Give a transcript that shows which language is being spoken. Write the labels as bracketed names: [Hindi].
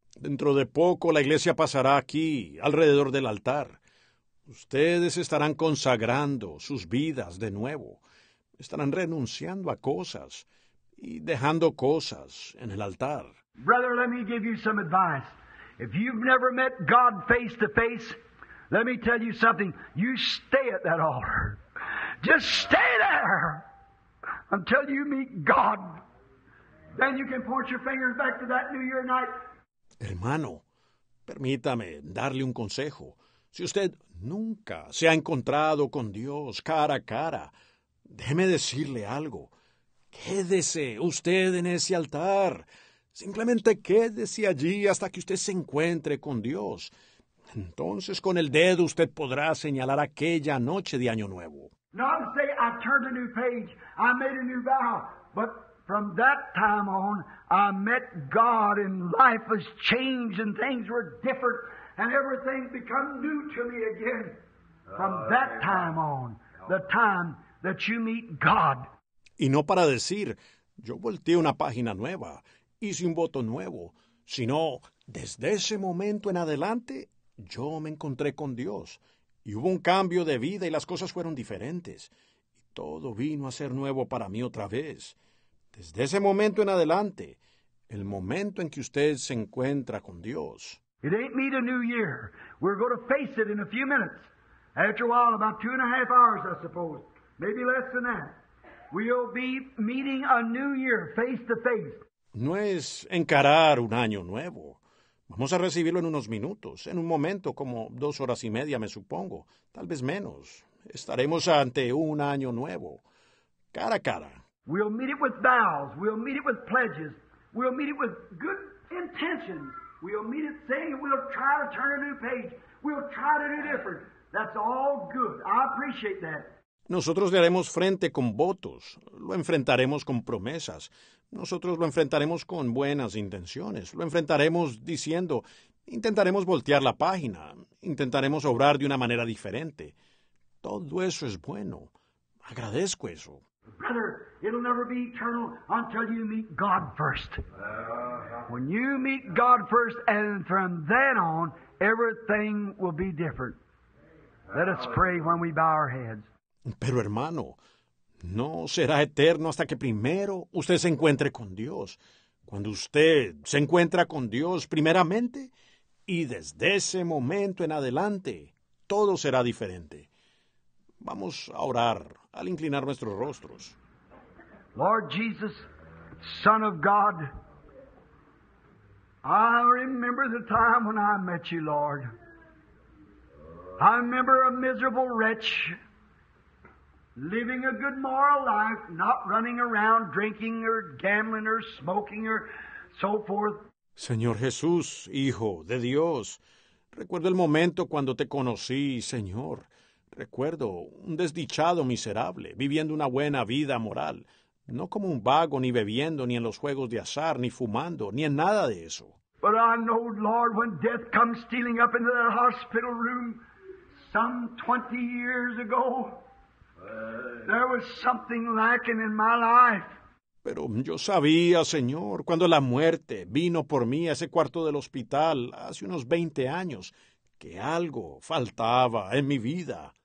[Spanish] Dentro de poco la iglesia pasará aquí, alrededor del altar. Ustedes estarán consagrando sus vidas de nuevo. Estarán renunciando a cosas y dejando cosas en el altar. [English] Brother, let me give you some advice. If you've never met God face to face, let me tell you something. You stay at that altar. Just stay there until you meet God. Then you can point your fingers back to that New Year night. [Spanish] Hermano, permítame darle un consejo. Si usted nunca se ha encontrado con Dios cara a cara, déjeme decirle algo. Quédese usted en ese altar. Simplemente quédese allí hasta que usted se encuentre con Dios. Entonces, con el dedo usted podrá señalar aquella noche de Año Nuevo. [English] No, I say I turned a new page. I made a new vow, but from that time on, I met God, and life has changed, and things were different, and everything become new to me again. From that time on, the time that you meet God. [Spanish] Y no para decir, yo volteé una página nueva, hice un voto nuevo, sino desde ese momento en adelante, yo me encontré con Dios, y hubo un cambio de vida, y las cosas fueron diferentes, y todo vino a ser nuevo para mí otra vez. Desde ese momento en adelante, el momento en que usted se encuentra con Dios. [English] It ain't meet a new year. We're going to face it in a few minutes. After a while, about 2.5 hours, I suppose. Maybe less than that. We'll be meeting a new year face to face. [Spanish] No es encarar un año nuevo. Vamos a recibirlo en unos minutos, en un momento, como 2 horas y media, me supongo, tal vez menos. Estaremos ante un año nuevo, cara a cara. [English] We'll meet it with vows, we'll meet it with pledges, we'll meet it with good intentions. We'll meet it saying we'll try to turn a new page, we'll try to do different. That's all good. I appreciate that. [Spanish] Nosotros le haremos frente con votos, lo enfrentaremos con promesas, nosotros lo enfrentaremos con buenas intenciones, lo enfrentaremos diciendo, intentaremos voltear la página, intentaremos obrar de una manera diferente. Todo eso es bueno. Agradezco eso. [English] Brother, it'll never be eternal until you meet God first. When you meet God first, and from then on, everything will be different. Let us pray when we bow our heads. [Spanish] Pero hermano, no será eterno hasta que primero usted se encuentre con Dios. Cuando usted se encuentra con Dios primeramente, y desde ese momento en adelante, todo será diferente. Vamos a orar al inclinar nuestros rostros. [English] Lord Jesus, Son of God, I remember the time when I met you, Lord. I remember a miserable wretch living a good moral life, not running around drinking or gambling or smoking or so forth. [Spanish] Señor Jesús, Hijo de Dios, recuerdo el momento cuando te conocí, Señor. Recuerdo un desdichado miserable, viviendo una buena vida moral, no como un vago, ni bebiendo, ni en los juegos de azar, ni fumando, ni en nada de eso. [English] But I know, Lord, when death comes stealing up into that hospital room some 20 years ago, there was something lacking in my life. [Spanish] Pero yo sabía, Señor, cuando la muerte vino por mí a ese cuarto del hospital hace unos 20 años, que algo faltaba en mi vida.